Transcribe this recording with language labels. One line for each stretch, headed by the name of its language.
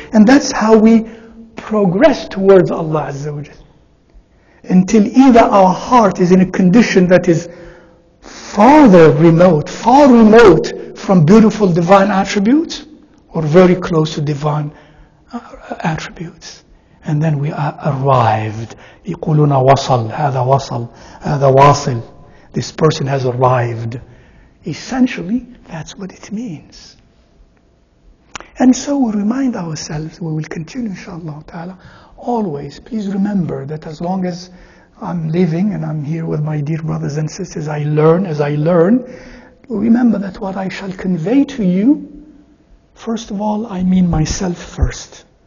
English: And that's how we progress towards Allah Azza wa Jal. Until either our heart is in a condition that is far remote from beautiful divine attributes, or very close to divine attributes. And then we are arrived.
Arabic: يقولون وصل, هذا وصل, هذا واصل.
English: This person has arrived. Essentially, that's what it means. And so we remind ourselves, we will continue inshallah ta'ala, always, please remember that as long as I'm living and I'm here with my dear brothers and sisters, as I learn, remember that what I shall convey to you, first of all, I mean myself first.